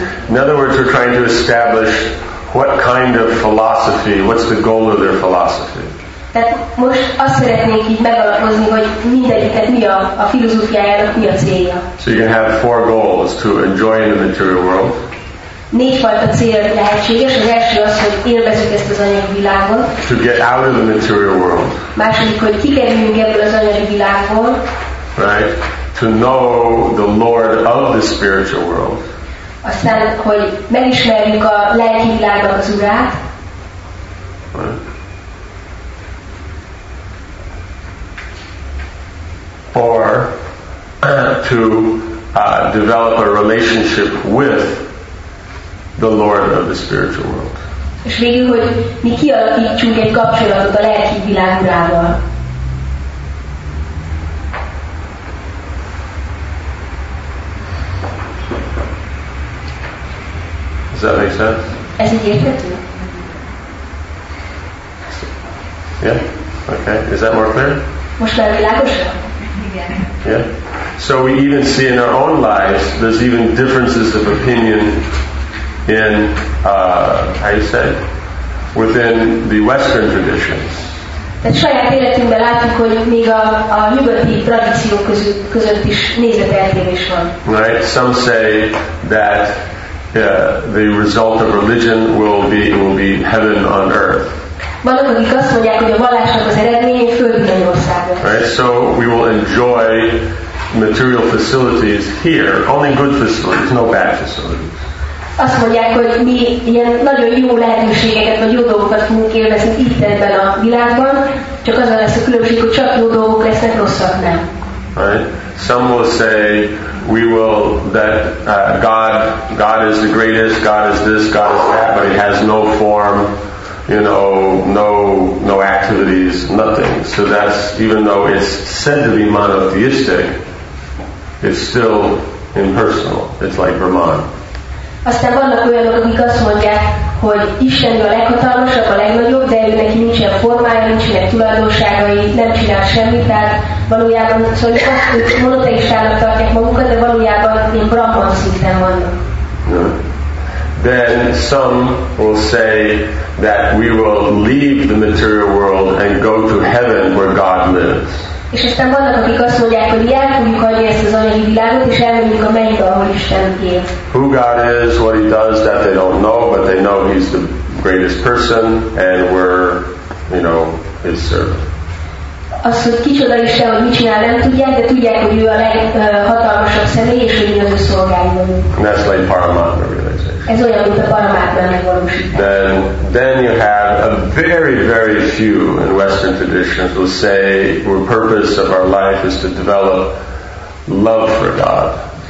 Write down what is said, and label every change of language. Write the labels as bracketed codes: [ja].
[en] In other words, we're trying to establish what kind of philosophy, what's the goal of their philosophy. So you can have four goals: to enjoy the material world. [hu] Négyfajta cél lehetséges. Az első az, hogy élvezzük ezt az anyagi világot. [en] To get out of the material world. [hu] Második, hogy kikerüljünk ebből az anyagi világból. [en] Right? To know the Lord of the spiritual world. [hu] Aztán, hogy megismerjük a lelki világnak az urát. [en] Right? Or to develop a relationship with the Lord of the spiritual world. [hu] És végül, hogy mi kialakítsunk egy kapcsolatot a lelki világurával. [en] Does that make sense? [hu] Ez így érthető? [en] Yeah? Okay. Is that more clear? [hu] Most már világosabb? Igen. [en] Yeah? So we even see in our own lives, there's even differences of opinion in how you say within the Western traditions. [hu] De saját életünkben látjuk, hogy még a nyugati tradíciók között is nézeteltérés van. [en] Right? Some say that the result of religion will be heaven on earth. [hu] Vannak, akik azt mondják, hogy a vallásnak az eredménye földi mennyországa. [en] Right? So we will enjoy material facilities here, only good facilities, no bad facilities. [hu] Azt mondják, hogy mi ilyen nagyon jó lehetőségeket, vagy jó dolgokat fogunk élvezni itt ebben a világban, csak azon lesz a különbség, hogy csak jó dolgok lesznek, rosszak nem. [en] Right? Some will say God is the greatest, God is this, God is that, but he has no form, you know, no activities, nothing. So that's, even though it's said to be monotheistic, it's still impersonal. It's like Brahman. [hu] Aztán vannak olyanok, akik azt mondják, hogy Isten a leghatalmasabb, a legnagyobb, de ő neki nincsen formája, nincsenek tulajdonságai, nem csinál semmit, tehát valójában, szóval ők monoteistának tartják magukat, de valójában én Brahman szinten vannak. [en] Then some will say that we will leave the material world and go to heaven where God lives. [hu] És aztán vannak, akik azt mondják, hogy el fogjuk hagyni ezt az anyagi világot, és elmegyünk a mennybe, ahol Isten él. [en] Who God is, what he does, that they don't know, but they know he's the greatest person, and we're, you know, his servant. [hu] Azt, hogy kicsoda Isten, hogy mit csinál, nem tudják, de tudják, hogy ő a leghatalmasabb személy, és hogy mi az ő szolgáljon. [en] That's like Paramatma realization. [hu] Ez olyan, mint a Paramatma megvalósítás. [en] Then you have a very, very few in Western traditions will say the purpose of our life is to develop love for God.